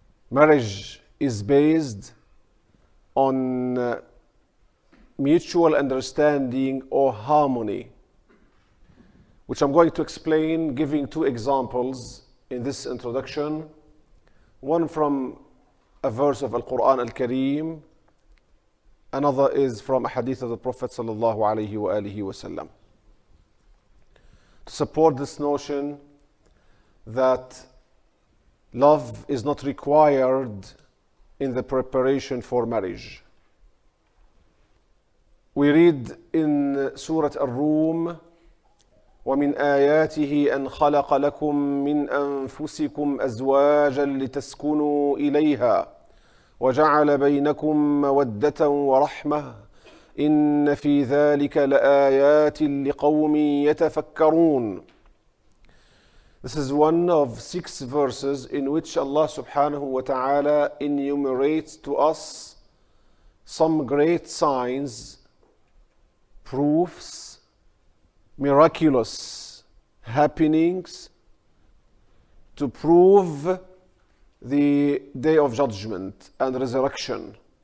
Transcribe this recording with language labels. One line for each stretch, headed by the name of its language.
English: Marriage is based on mutual understanding or harmony, which I'm going to explain giving two examples in this introduction, one from a verse of Al-Quran Al-Kareem, another is from a hadith of the Prophet sallallahu alayhi wa alihi wa sallam. To support this notion that love is not required in the preparation for marriage. We read in Surah Ar-Rum,
Arabic: وَمِنْ آيَاتِهِ أَنْ خَلَقَ لَكُمْ مِنْ أَنفُسِكُمْ أَزْوَاجًا لِتَسْكُنُوا إِلَيْهَا وَجَعَلَ بَيْنَكُمْ مَوَدَّةً وَرَحْمَةً إن في ذلك لآيات لقوم يتفكرون.
English: This is one of six verses in which Allah subhanahu wa ta'ala enumerates to us some great signs, proofs, miraculous happenings to prove the day of judgment and resurrection.